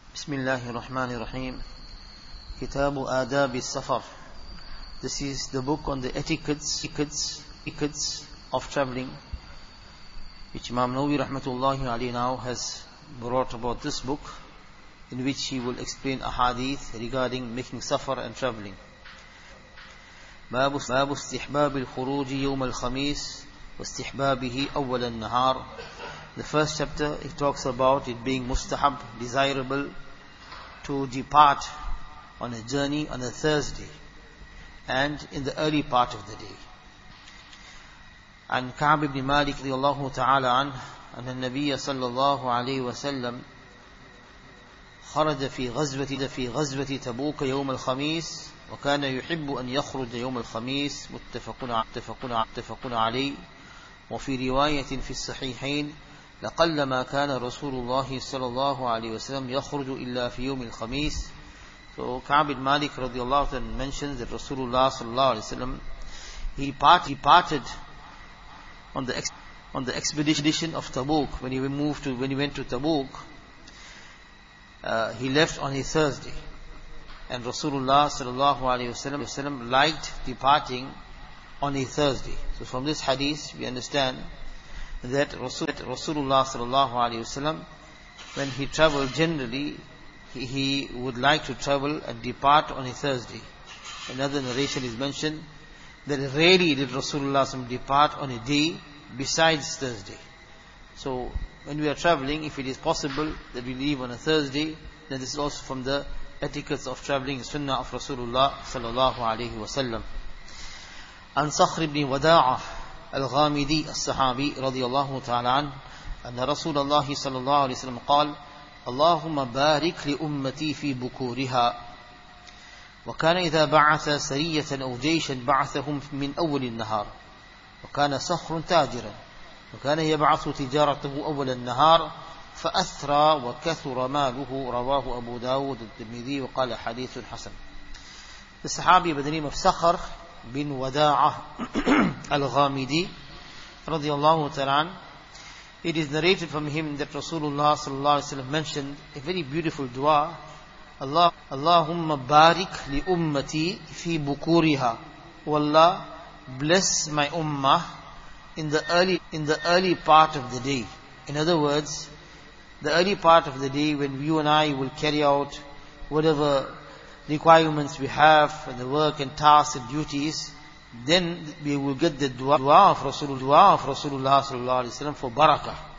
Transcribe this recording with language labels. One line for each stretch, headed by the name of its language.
Arabic: بسم الله الرحمن الرحيم كتاب آداب السفر.
English: This is the book on the etiquettes of traveling, which Imam Nawawi rahmatullahi alayhi now has brought about this book, in which he will explain a hadith regarding making safar and traveling.
Arabic: باب استحباب الخروج يوم الخميس واستحبابه أول النهار.
English: The first chapter, it talks about it being mustahab, desirable, to depart on a journey on a Thursday and in the early part of the day. And Ka'b ibn Malik radiallahu ta'ala anhu, and the Nabiya sallallahu alayhi wa sallam,
Arabic: خرج في غزوة تبوك يوم الخميس وكان يحب أن يخرج يوم الخميس متفقون عليه. وفي رواية في الصحيحين لقلما كان رسول الله صلى الله عليه وسلم يخرج إلا في يوم الخميس.
English: So Ka'b ibn Malik radiallahu ta'ala anhu mentions that Rasulullah sallallahu alayhi wa sallam, he departed on the expedition of Tabuk. When he went to Tabuk, he left on a Thursday, and Rasulullah sallallahu alayhi wa sallam liked departing on a Thursday. So from this hadith we understand that Rasulullah sallallahu alayhi wa sallam, when he traveled, generally he would like to travel and depart on a Thursday. Another narration is mentioned that rarely did Rasulullah sallam depart on a day besides Thursday. So when we are traveling, if it is possible that we leave on a Thursday, then this is also from the etiquettes of traveling, sunnah of Rasulullah sallallahu alayhi wa sallam.
Arabic: An Sakhr ibn Wada'ah الغامدي الصحابي رضي الله تعالى عنه أن رسول الله صلى الله عليه وسلم قال اللهم بارك لأمتي في بكورها. وكان إذا بعث سرية أو جيشا بعثهم من أول النهار. وكان صخر تاجرا وكان يبعث تجارته أول النهار فأثرى وكثر ماله. رواه أبو داود الترمذي وقال حديث حسن. الصحابي بن صخر بن وداعة الغامدي رضي الله تعالى عنه.
English: It is narrated from him that Rasulullah صلى الله عليه وسلم mentioned a very beautiful dua.
Arabic: اللهم بارك لأمتي في بكورها.
English: والله bless my ummah in the early part of the day. In other words, the early part of the day when you and I will carry out whatever requirements we have and the work and tasks and duties, then we will get the dua of Rasulullah sallallahu alaihi wasallam for barakah.